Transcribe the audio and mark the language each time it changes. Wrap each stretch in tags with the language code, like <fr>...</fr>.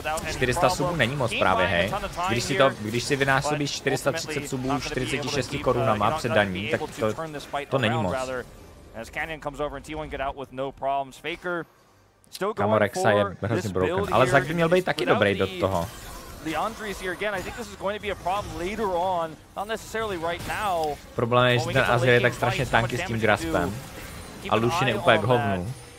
<cs>400 subů není moc právě, hej. Když si vynásobíš 430 subů 46 korunama před daní, tak to není moc.</cs> <en>As Canyon comes over and T1 get out with no problems. Faker still going for this build broken. Here.</en> <cs>Ale Zak by měl být taky dobrý do toho.</cs> <en>The Andres here again. I think this is going to be a problem later on, not necessarily right now.</en> <cs>Problém je, že ten Azir je tak strašně tanky s tím Graspem. A Lucian je úplně k hovnu.</cs>